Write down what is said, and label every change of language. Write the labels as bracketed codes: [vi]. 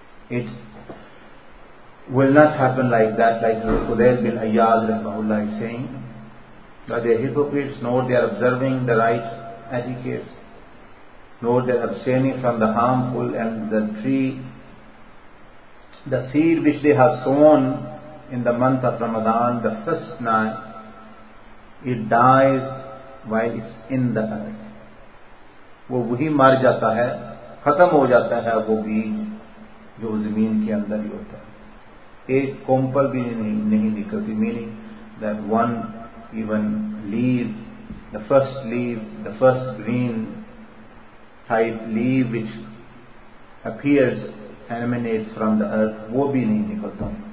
[en] It will not happen like that, like Qudayl bin Ayyad rahmahullah is saying, that they are hypocrites, nor they are observing the right etiquette, nor they are abstaining from the harmful, and the tree, the seed which they have sown in the month of Ramadan, the first night, it dies while it's in the earth. [hi] वो वही मर जाता है, खत्म हो जाता है वो बीज जो जमीन के अंदर ही होता है. एक कोंपल भी नहीं निकलती, [en] meaning that one even leaf, the first leaf, the first green type leaf which appears emanates from the earth, [hi] वो भी नहीं निकलता.